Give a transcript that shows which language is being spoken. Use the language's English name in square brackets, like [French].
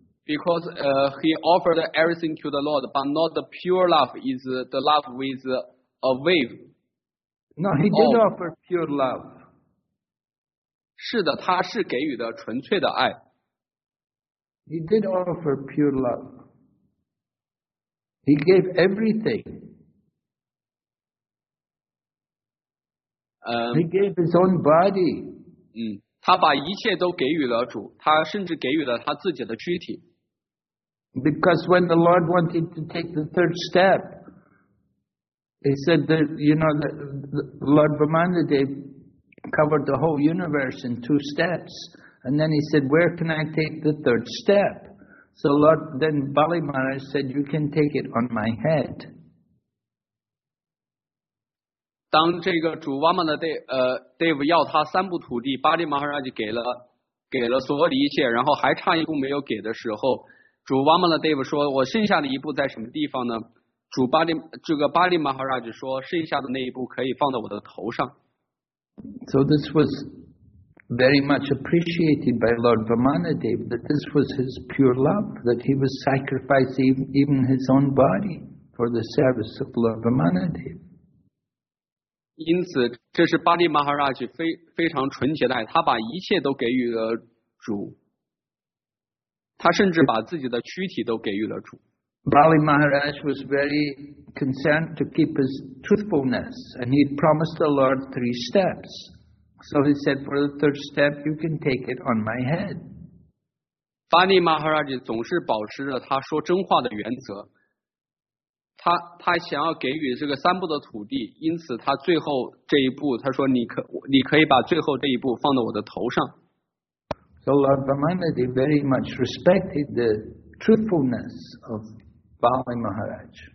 [English] Because he offered everything to the Lord, but not the pure love, is the love with a wave. No, he did offer pure love. [Chinese] 是的，他是给予的纯粹的爱。 [English] He did offer pure love. He gave everything. He gave his own body. [Chinese] 他把一切都给予了主，他甚至给予了他自己的躯体。 [English] Because when the Lord wanted to take the third step, he said that, you know, that Lord Brahmanadev covered the whole universe in two steps. And then he said, where can I take the third step? So Lord, then Bali Maharaj said, you can take it on my head. [Chinese] 当这个主瓦曼的 Dave 要他三步土地，巴利马哈拉就给了所有的一切，然后还差一步没有给的时候，主瓦曼的 Dave 说，我剩下的一步在什么地方呢？主巴利这个巴利马哈拉就说，剩下的那一步可以放在我的头上。 [English] So this was very much appreciated by Lord Vamanadev, that this was his pure love, that he was sacrificing even his own body for the service of Lord Vamanadev. [Chinese] 因此这是巴利马哈拉吉非常纯洁的爱，他把一切都给予了主，他甚至把自己的躯体都给予了主。 [English] Bali Maharaj was very concerned to keep his truthfulness, and he promised the Lord three steps. So he said, for the third step, you can take it on my head. [Chinese] 巴利马哈拉吉总是保持着他说真话的原则，他想要给予这个三步的土地，因此他最后这一步，他说你可以把最后这一步放到我的头上。 [English] So Lord Brahmanadev very much respected the truthfulness of Bali Maharaj.